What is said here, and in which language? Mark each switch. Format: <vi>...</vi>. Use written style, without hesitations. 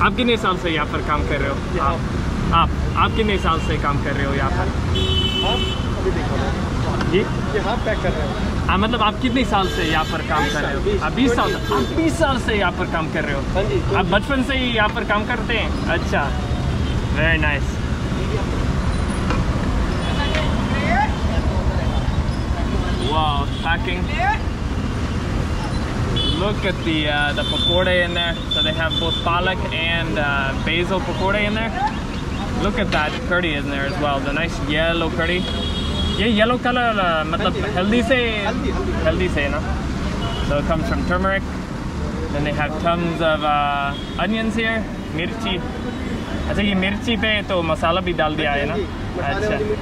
<hi>आप कितने साल से यहाँ पर काम कर रहे हो? आप कितने साल से काम कर रहे हो यहाँ पर? जी हाफ पैक कर रहे हो। हाँ मतलब आप कितने साल से यहाँ पर काम कर रहे हो? आप 20 साल, आप 20 साल से यहाँ पर काम कर रहे हो? हाँ जी। आप बचपन से ही यहाँ पर काम करते हैं? अच्छा,</hi> <en>very nice. Wow, packing. Look at the pakoda in there. So they have both palak and basil pakoda in there. Look at that curry in there as well. The nice yellow curry.</en> <hi>ये yellow colour मतलब healthy से ना</hi> <en>so it comes from turmeric then they have tons of onions here</en> <hi>मिर्ची अच्छा ये मिर्ची पे तो मसाला भी डाल दिया है ना अच्छा</hi>